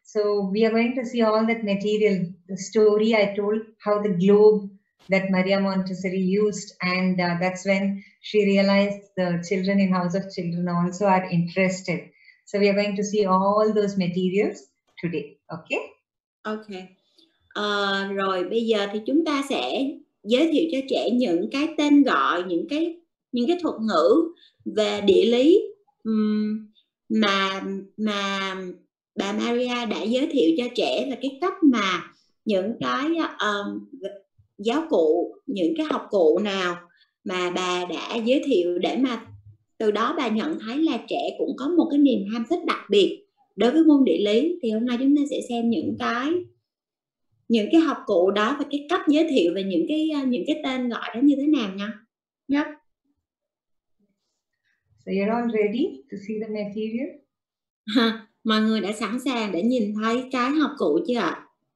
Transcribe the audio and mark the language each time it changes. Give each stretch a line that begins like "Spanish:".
English: So we are going to see all that material, the story I told, how the globe that Maria Montessori used, and that's when she realized the children in House of Children also are interested. So we are going to see all those materials today. Okay? Okay.
Vietnamese: Rồi bây giờ thì chúng ta sẽ giới thiệu cho trẻ những cái tên gọi, những cái thuật ngữ về địa lý mà bà Maria đã giới thiệu cho trẻ, là cái cách mà những cái giáo cụ, những cái học cụ nào mà bà đã giới thiệu, để mà từ đó bà nhận thấy là trẻ cũng có một cái niềm ham thích đặc biệt đối với môn địa lý. Thì hôm nay chúng ta sẽ xem những cái học cụ đó và cái cách giới thiệu về những cái tên gọi đó như thế nào nha.
English: Yep. So you're all ready to see the material?
Vietnamese: Mọi người đã sẵn sàng để nhìn thấy cái học cụ chưa ạ?